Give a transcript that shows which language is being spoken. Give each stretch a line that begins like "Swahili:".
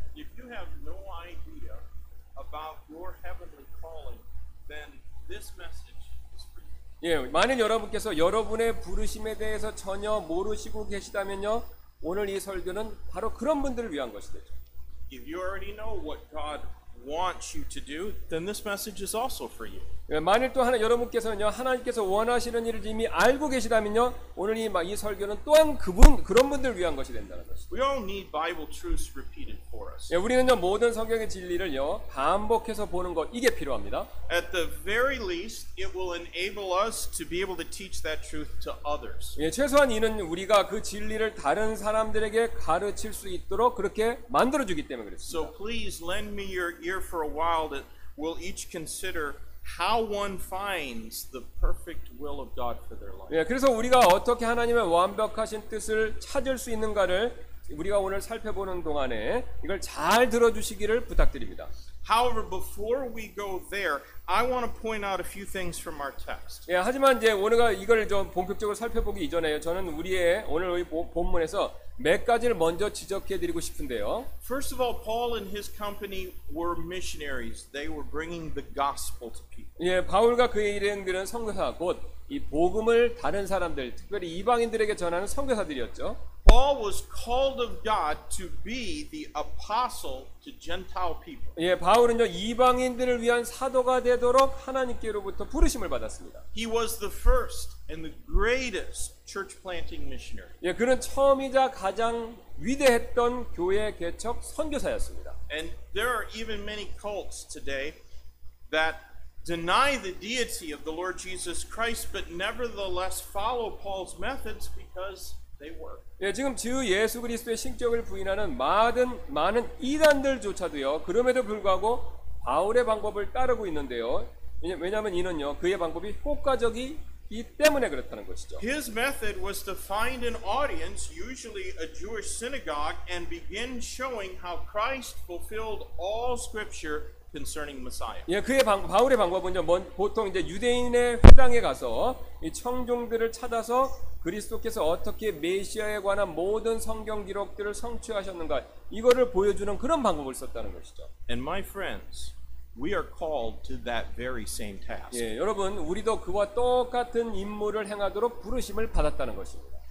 English: If you have no idea about your heavenly calling, then this message is for you.
Korean: 예, 만일 여러분께서 여러분의 부르심에 대해서 전혀 모르시고 계시다면요 오늘 이 설교는 바로 그런 분들을 위한 것이 되죠.
English: If you already know what God wants you to do, then this message is also for you.
Korean: 만일 또 하나 여러분께서는요 하나님께서 원하시는 일을 이미 알고 계시다면요 오늘 이 설교는 또한 그분 그런 분들을 위한 것이 된다는 것이죠.
English: We all need Bible truths repeated for us.
Korean: 예, 우리는요 모든 성경의 진리를요 반복해서 보는 것 이게 필요합니다.
English: At the very least, it will enable us to be able to teach that truth to others.
Korean: 예, 최소한 이는 우리가 그 진리를 다른 사람들에게 가르칠 수 있도록 그렇게 만들어 주기 때문에 그렇습니다.
English: So please lend me your ear for a while that we'll each consider how one finds the perfect will of God for their life.
Korean: 예, 그래서 우리가 어떻게 하나님의 완벽하신 뜻을 찾을 수 있는가를 우리가 오늘 살펴보는 동안에 이걸 잘 들어주시기를 부탁드립니다.
English: However, before we go there, I want to point out a few things from our text.
Korean: 예, 하지만 이제 오늘가 이걸 좀 본격적으로 살펴보기 이전에요. 저는 우리의 오늘 우리 본문에서 몇 가지를 먼저 지적해 드리고 싶은데요.
English: First of all, Paul and his company were missionaries. They were bringing the gospel to people.
Korean: 예, 바울과 그의 일행들은 선교사, 곧 이 복음을 다른 사람들, 특별히 이방인들에게 전하는 선교사들이었죠.
English: Paul was called of God to be the apostle to Gentile people.
Korean: 예, 바울은요 이방인들을 위한 사도가 되도록 하나님께로부터 부르심을 받았습니다.
English: He was the first and the greatest church planting missionary.
Korean: 예, 그는 처음이자 가장 위대했던 교회 개척 선교사였습니다.
English: And there are even many cults today that deny the deity of the Lord Jesus Christ, but nevertheless follow Paul's methods because they work.
Korean: 예, 지금 주 예수 그리스도의 신격을 부인하는 많은 이단들조차도요 그럼에도 불구하고 바울의 방법을 따르고 있는데요 왜냐하면 이는요 그의 방법이 효과적이기 때문에 그렇다는 것이죠.
English: His method was to find an audience, usually a Jewish synagogue, and begin showing how Christ fulfilled all Scripture concerning Messiah.
Korean: 예, 그의 바울의 방법은요 보통 이제 유대인의 회당에 가서 이 청중들을 찾아서 그리스도께서 어떻게 메시아에 관한 모든 성경 기록들을 성취하셨는가 이거를 보여주는 그런 방법을 썼다는 것이죠.
English: And my friends, we are called to that very same task.
Korean: 예, 여러분, 우리도 그와 똑같은 임무를 행하도록 부르심을 받았다는 것입니다.